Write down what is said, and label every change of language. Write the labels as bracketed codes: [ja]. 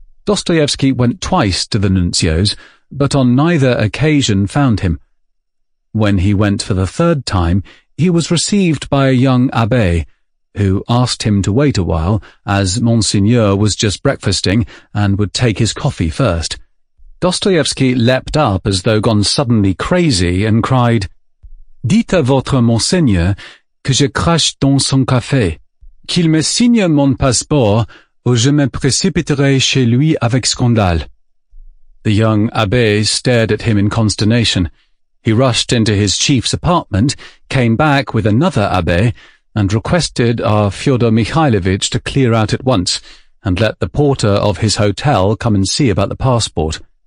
[en] Dostoevsky went twice to the nuncio's, but on neither occasion found him. When he went for the third time, he was received by a young abbé, who asked him to wait a while, as Monseigneur was just breakfasting and would take his coffee first. Dostoevsky leapt up as though gone suddenly crazy and cried, [fr] "Dites à votre Monseigneur que je crache dans son café, qu'il me signe mon passeport ou je me précipiterai chez lui avec scandale." [en] The young abbé stared at him in consternation. He rushed into his chief's apartment, came back with another abbé, and requested our Fyodor Mikhailovich to clear out at once, and let the porter of his hotel come and see about the passport.